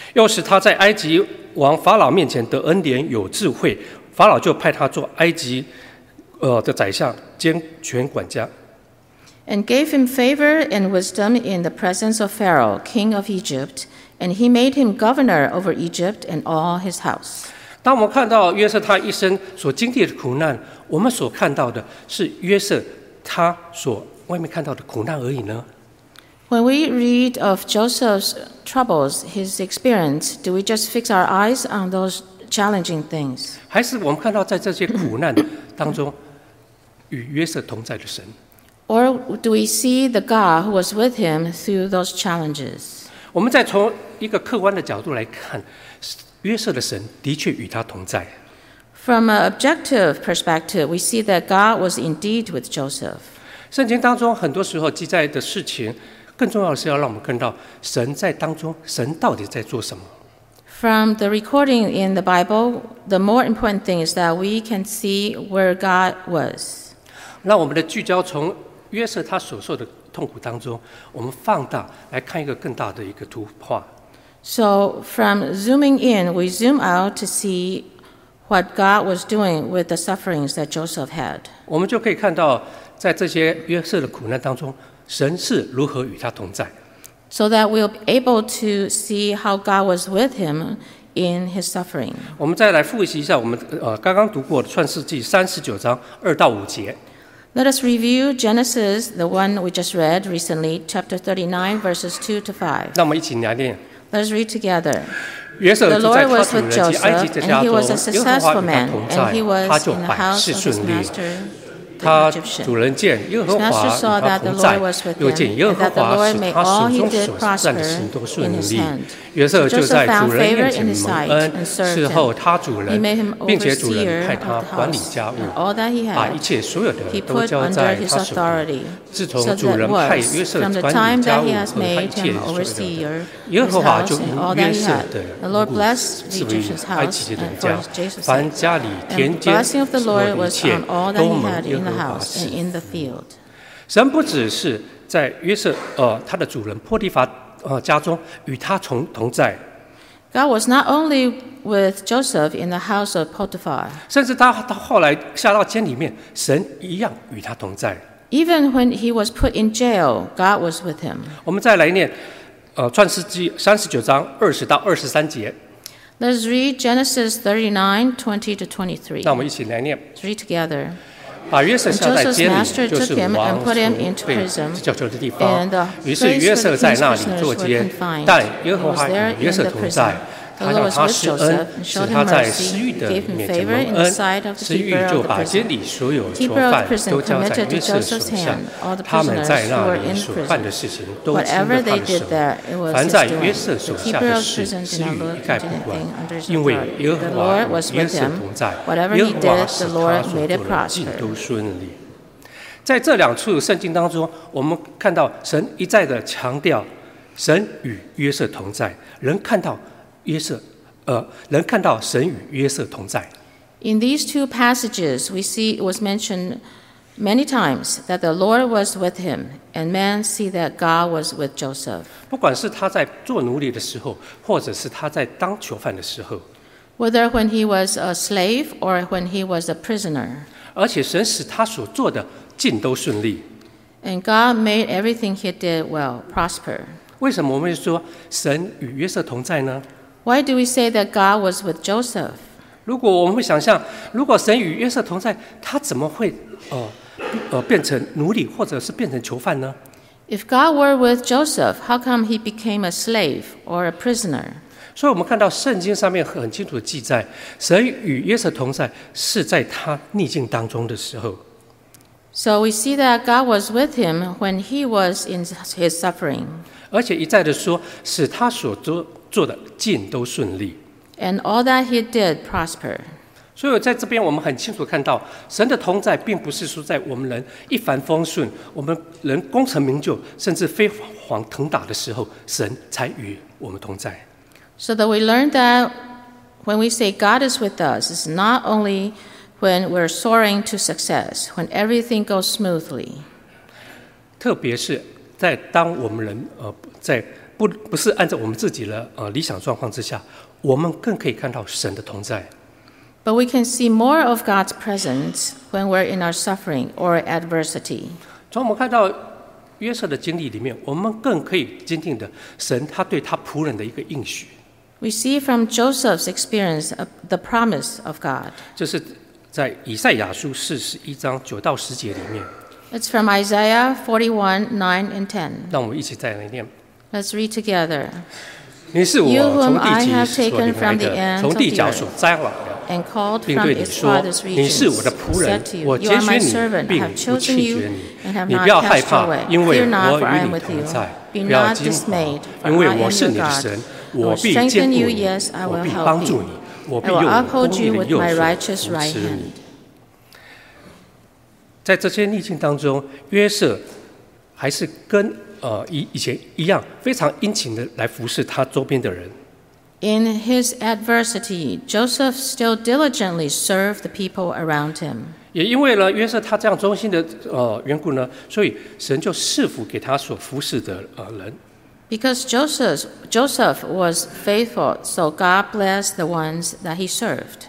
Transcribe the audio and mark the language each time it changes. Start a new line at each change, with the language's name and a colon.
Chinese: 又使他在埃及王法老面前得恩典，有智慧。法老就派他做埃及的宰相，兼全管家。
English: And gave him favor and wisdom in the presence of Pharaoh, king of Egypt. And he made him governor over Egypt and all his house.
Chinese: 当我们看到约瑟他一生所经历的苦难，我们所看到的是约瑟他所外面看到的苦难而已呢？
English: When we read of Joseph's troubles, his experience, do we just fix our eyes on those challenging things?
Chinese: 还是我们看到在这些苦难当中与约瑟同在的神？
English: Or do we see the God who was with him through those challenges?
Chinese: 我们再从一个客观的角度来看，约瑟的神的确与他同在。
English: From an objective perspective, we see that God was indeed with Joseph.
Chinese: 圣经当中很多时候记载的事情，更重要的是要让我们看到神在当中，神到底在做什么。
English: From the recording in the Bible, the more important thing is that we can see where God was.
Chinese: 让我们的聚焦从约瑟他所受的痛苦当中，我们放大来看一个更大的一个图画。
English: So from zooming in, we zoom out to see what God was doing with the sufferings that Joseph had.
Chinese: 我们就可以看到，在这些约瑟的苦难当中，神是如何与他同在。
English: So that we'll be able to see how God was with him in his suffering.
Chinese: 我们再来复习一下我们刚刚读过的创世纪39章二到五节。
English: Let us review Genesis, the one we just read recently, chapter 39, verses 2 to 5.
Chinese: 那我们一起来念。
English: Let us read together. The Lord was with Joseph, and he was a successful man, and he was in the house of his master.
Chinese: 他主人见耶和华与他同在，又见耶和华使他手中所占的行都顺利。约瑟就在主人面前蒙恩，侍候他主人，并且主人派他管理家务，把一切所有的都交在他手中。自从主人派约瑟管理家务和他一切所有的，耶和华就因约瑟的缘故赐予埃及人家，凡家里田间所有的一切都蒙耶和华赐福。神不只是在约瑟他的主人波提乏家中与他同在。
English: God was not only with Joseph in the house of Potiphar.
Chinese: 甚至他后来下到监里面，神一样与他同在。
English: Even when he was put in jail, God was with him.
Chinese: 我们再来念创世纪39章20到23节。
English: Let's read Genesis 39:20 to 23.
Chinese: 那我们一起来念。
English: Let's read together.
Chinese: 把约瑟下在监里，就是王从被交囚的地方。于是约瑟在那里坐监，但耶和华与约瑟同在，他叫他施恩，使他在私狱的面前蒙恩。私狱就把监里所有囚犯都交在约瑟手下，他们在那里所犯的事情都轻在他的手。凡在约瑟手下的事，私狱一概不管，因为耶和华与约瑟同在，耶和华使他所做的尽都顺利。在这两处圣经当中，我们看到神一再的强调，神与约瑟同在，人看到。约瑟，能看到神与约瑟同在。
English: In these two passages, we see it was mentioned many times that the Lord was with him, and men see that God was with Joseph.
Chinese: 不管是他在做奴隶的时候，或者是他在当囚犯的时候
English: ，whether when he was a slave or when he was a prisoner，
Chinese: 而且神使他所做的尽都顺利。
English: And God made everything he did well prosper.
Chinese: 为什么我们说神与约瑟同在呢？
English: Why do we say that God was with Joseph?
Chinese: 如果我们会想象，如果神与约瑟同在，他怎么会变成奴隶，或者是变成囚犯呢？
English: If God were with Joseph, how come he became a slave or a prisoner?
Chinese: 所以我们看到圣经上面很清楚的记载，神与约瑟同在是在他逆境当中的时候。
English: So we see that God was with him when he was in his suffering.
Chinese: 而且一再的说，使他所做的尽都顺利
English: ，and all that he did prosper。
Chinese: 所以在这边，我们很清楚看到，神的同在并不是说在我们人一帆风顺、我们人功成名就，甚至飞黄腾达的时候，神才与我们同在。
English: So that we learn that when we say God is with us, it's not only when we're soaring to success, when everything goes smoothly。
Chinese: 特别是在当我们人在。不是按照我们自己的理想状况之下，我们更可以看到神的同在。
English: But we can see more of God's presence when we're in our suffering or adversity.
Chinese: 从我们看到约瑟的经历里面，我们更可以坚定的神他对他仆人的一个应许。
English: We see from Joseph's experience the promise of God.
Chinese: 就是在以赛亚书41章9到10节里面。
English: It's from Isaiah 41:9 and 10.
Chinese: 让我们一起再来念。
English: Let's read together.
Chinese: 你是我从地极所领来的，从地角所摘来的，并对你说：“你是我的仆仆人
English: said to you,
Chinese: 我拣选你并不弃绝你你不要害怕因为我与你同在不要惊慌因为我是你的神我必坚固你我必帮助你我必用公义的右手扶持你在这些逆境当中约瑟还是跟以前一样非常殷勤的来服侍他周边的人
English: In his adversity, Joseph still diligently served the people around him.
Chinese: 也因为呢，约瑟他这样忠心的缘故呢，所以神就赐福给他所服侍的人。
English: Because Joseph was faithful, so God blessed the ones that he served.